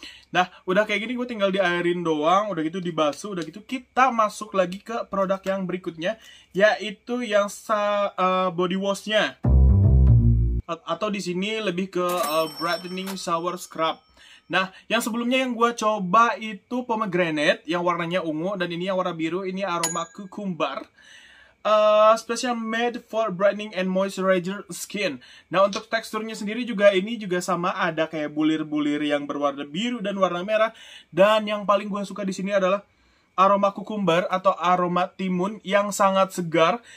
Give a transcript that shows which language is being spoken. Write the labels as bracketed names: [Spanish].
[Indonesian] Nah, udah kayak gini gue tinggal diairin doang, udah gitu dibasuh, udah gitu kita masuk lagi ke produk yang berikutnya, yaitu yang body wash-nya. Atau di sini lebih ke brightening shower scrub. Nah, yang sebelumnya yang gue coba itu pomegranate yang warnanya ungu, dan ini yang warna biru, ini aroma kukumbar. [English] Special made for brightening and moisturizer skin. [Indonesian] Nah, untuk teksturnya sendiri juga ini juga sama, ada kayak bulir-bulir yang berwarna biru dan warna merah. Dan yang paling gue suka di sini adalah aroma kukumbar atau aroma timun yang sangat segar.